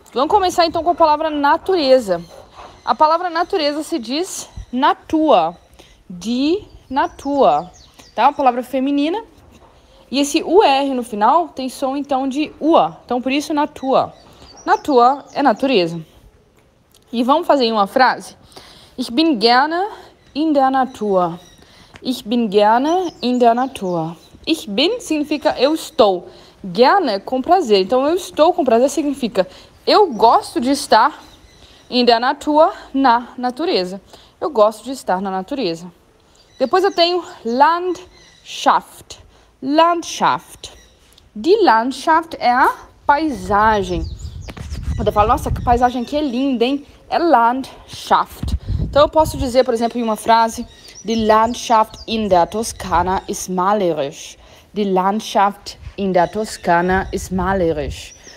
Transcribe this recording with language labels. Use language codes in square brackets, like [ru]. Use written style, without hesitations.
[pt] Vamos começar então com a palavra natureza. A palavra natureza se diz natua, de natua, tá? Uma palavra feminina. E esse UR no final tem som então de UA, então por isso natua. Natua é natureza. E vamos fazer uma frase? [de] Ich bin gerne in der Natur. Ich bin gerne in der Natur. [pt] Ich bin significa eu estou. Gerne, com prazer. Então, eu estou com prazer significa eu gosto de estar [de] in der Natur, [pt] na natureza. Eu gosto de estar na natureza. Depois eu tenho Landschaft. Landschaft. Die Landschaft é a paisagem. Quando eu falo, nossa, que paisagem aqui é linda, hein? É Landschaft. Então, eu posso dizer, por exemplo, em uma frase... [de] Die Landschaft in der Toskana ist malerisch. Die Landschaft in der Toskana ist malerisch.